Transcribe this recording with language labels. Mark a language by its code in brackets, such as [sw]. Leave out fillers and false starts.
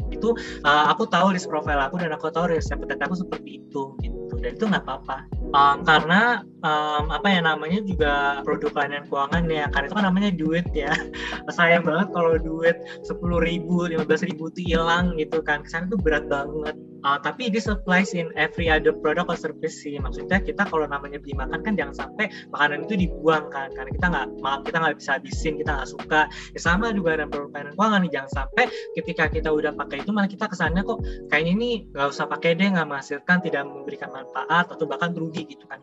[id] Itu aku tahu risk profile aku dan aku tahu risk appetite aku seperti itu gitu. Dan itu nggak apa-apa. Karena juga produk layanan keuangan ya, karena itu kan namanya duit ya. Sayang banget kalau duit 10.000, 15.000 itu hilang gitu kan. Kesannya itu berat banget. Tapi [en] this applies in every other product or service [id] sih. Maksudnya kita kalau namanya beli makan kan jangan sampai makanan itu dibuang kan. Karena kita nggak bisa habisin, kita nggak suka. Ya, sama juga dengan produk layanan keuangan nih. Jangan sampai ketika kita udah pakai itu malah kita kesannya kok kayaknya ini nggak usah pakai deh, nggak menghasilkan, tidak memberikan manfaat, atau bahkan rugi gitu kan.